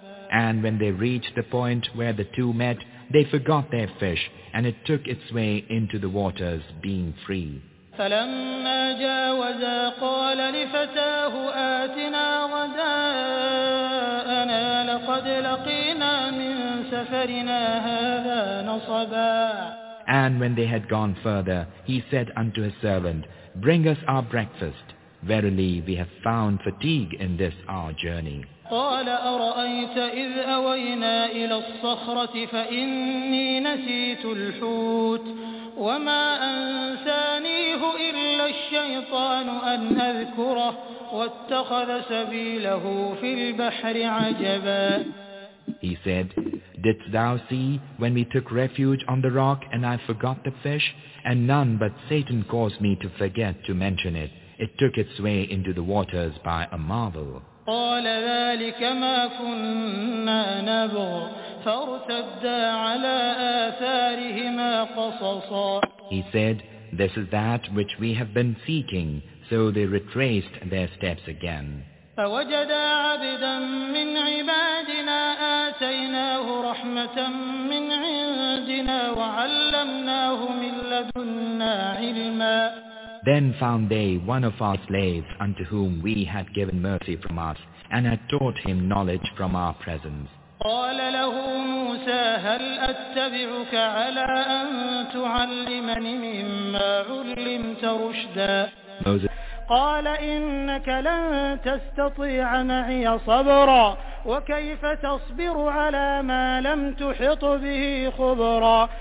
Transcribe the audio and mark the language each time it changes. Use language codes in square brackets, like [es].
[en] And when they reached the point where the two met, they forgot their fish, and it took its way into the waters, being free. [ar] فلما جاوزا قال لفتاه آتنا غداءنا لقد لقينا من سفرنا هذا نصبا. [en] And when they had gone further, he said unto his servant, Bring us our breakfast. Verily we have found fatigue in this our journey. [ar] قال أرأيت إذ أوينا إلى الصخرة فإني نسيت الحوت وما أنسانيه إلا الشيطان أن أذكره واتخذ سبيله في البحر عجبا. [en] He said, Didst thou see when we took refuge on the rock and I forgot the fish? And none but Satan caused me to forget to mention it. It took its way into the waters by a marvel. [ar] قال ذلك ما كنا نبغ فارتدا على آثارهما قصصا. [en] He said, This is that which we have been seeking. So they retraced their steps again. [ar] فوجدا عبدا من عبادنا آتيناه رحمة من عندنا وعلمناه من لدنا علما. [en] Then found they one of our slaves unto whom we had given mercy from us and had taught him knowledge from our presence. [ar] قال له موسى هل أتبعك على أن تعلمني مما علمت رشدا. [en] Moses. [ar] قال إنك لن تستطيع معي صبرا وكيف تصبر على ما لم تحط به خبرا.